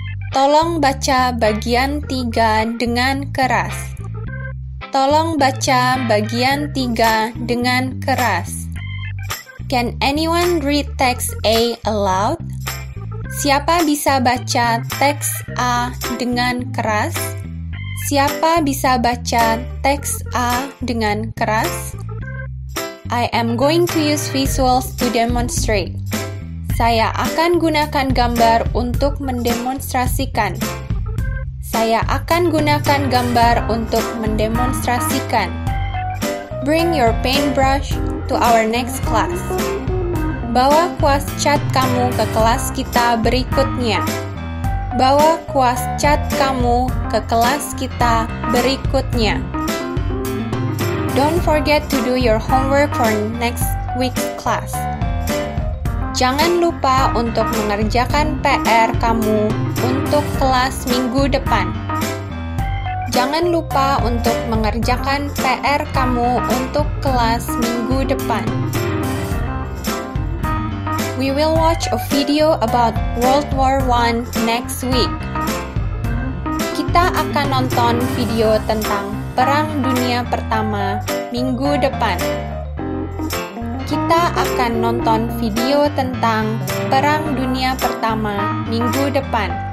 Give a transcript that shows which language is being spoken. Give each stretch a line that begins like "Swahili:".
Indonesian: Tolong baca bagian 3 dengan keras. Tolong baca bagian 3 dengan keras.
English: Can anyone read text A aloud?
Indonesian: Siapa bisa baca teks A dengan keras? Siapa bisa baca teks A dengan keras?
English: I am going to use visuals to demonstrate.
Indonesian: Saya akan gunakan gambar untuk mendemonstrasikan. Saya akan gunakan gambar untuk mendemonstrasikan.
English: Bring your paintbrush to our next class.
Indonesian: Bawa kuas cat kamu ke kelas kita berikutnya. Bawa kuas cat kamu ke kelas kita berikutnya.
English: Don't forget to do your homework for next week's class.
Indonesian: Jangan lupa untuk mengerjakan PR kamu untuk kelas minggu depan. Jangan lupa untuk mengerjakan PR kamu untuk kelas minggu depan.
English: We will watch a video about World War I next week.
Indonesian: Kita akan nonton video tentang Perang Dunia Pertama minggu depan. Kita akan nonton video tentang Perang Dunia Pertama minggu depan.